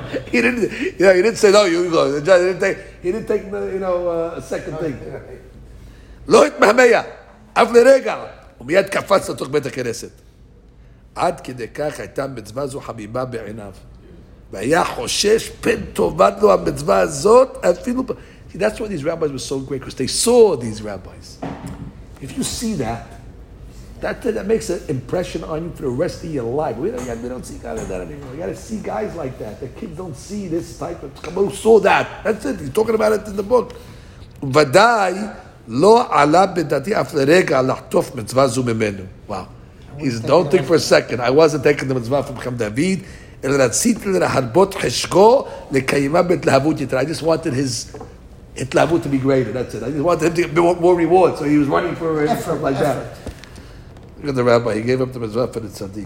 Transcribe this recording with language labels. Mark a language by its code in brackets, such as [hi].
[en] he didn't say, no, you go. He didn't take a second thing. [he] לא התמהמה, אף לרגע, ומיד קפץ לתוך בית הכנסת. עד כדי כך הייתה מצווה זו חביבה בעיניו. והיה חושש פן טובת לו המצווה הזאת אפילו... [en] See, that's why these rabbis were so great, because they saw these rabbis. If you see that makes an impression on you for the rest of your life. We don't see guys like that anymore. You gotta see guys like that. The kids don't see this type of... Come on, saw that. That's it. He's talking about it in the book. [he] ודאי לא עלה בדעתי אף לרגע לחטוף מצווה זו ממנו. [en] Wow. He says, don't think for a second. I wasn't taking the mitzvah from Chaim David. I just wanted his itlavut to be greater. That's it. I just wanted him to get more reward. So he was running for effort, stuff like effort. That. Look at the rabbi. He gave up the mitzvah for the tzaddik.